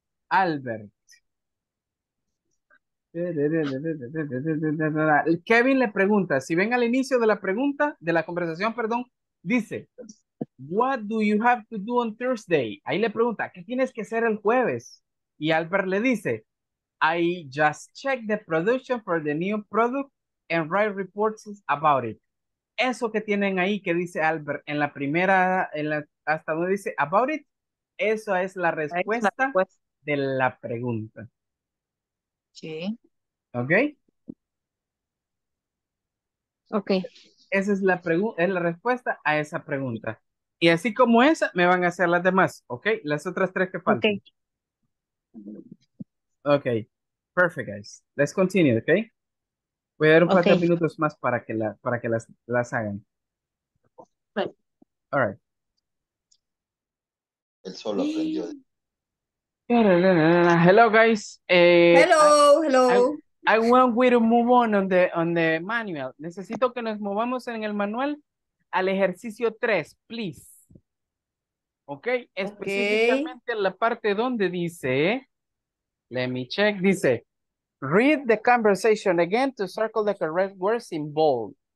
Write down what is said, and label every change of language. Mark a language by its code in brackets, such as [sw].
[es] Albert. Kevin le pregunta, si ven al inicio de la pregunta, de la conversación, perdón, dice, [en] what do you have to do on Thursday? [es] Ahí le pregunta, ¿qué tienes que hacer el jueves? Y Albert le dice, [en] I just checked the production for the new product and write reports about it. [es] Eso que tienen ahí que dice Albert en la primera, hasta donde dice about it, eso es la respuesta. De la pregunta. Sí. ¿Ok? Ok. Esa es la respuesta a esa pregunta. Y así como esa, me van a hacer las demás. ¿Ok? Las otras tres que faltan. Ok. Ok. [en] Perfect, guys. Let's continue, [es] ¿ok? Voy a dar un cuatro minutos más para que, las hagan. [en] Right. All right. [es] Él solo aprendió de... [en] Hello guys. Hello. I want we to move on the manual. [es] Necesito que nos movamos en el manual al ejercicio 3, please. Okay. Específicamente en la parte donde dice, [en] let me check, [es] dice, [en] read the conversation again to circle the correct words in bold.